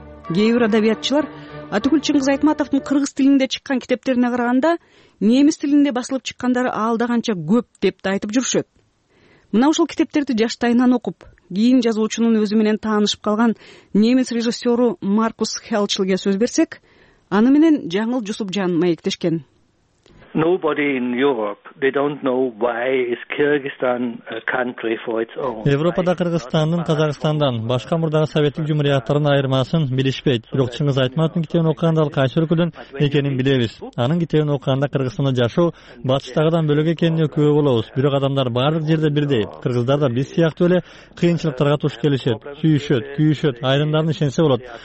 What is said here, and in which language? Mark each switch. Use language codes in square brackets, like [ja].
[ky] Кээ бир адабиятчылар Атыгүл Чыңгыз Айтматовдун кыргыз тилинде чыккан китептерине караганда немис тилинде басылып чыккандары алдаганча көп деп да айтып жүрүшөт. Мына ушул китептерди жаштайынан окуп, кийин жазуучунун өзү менен таанышып калган немис режиссеру Маркус Хелчилге сөз берсек, аны менен Жаңыл Жусупжан маектешкен. [en] Nobody in Europe, they don't know why is Kyrgyzstan a country for its own. [ky] Европада Кыргызстандын Казакстандан башка мурдагы Советтик Жумхуриятынын айырмасын билишпейт. Бирок Чыңгыз Айтматовдун китебин окуганда ал кайсы өлкөдөн экенин билебиз. Анын китебин окуганда Кыргызстанда жашоо батыштагыдан бөлөк экенине күбө болобуз. Бирок адамдар баардык жерде бирдей. Кыргыздар да биз сыяктуу эле кыйынчылыктарга туш келишет, сүйүшөт, күйүшөт, айрымдарына ишенсе болот.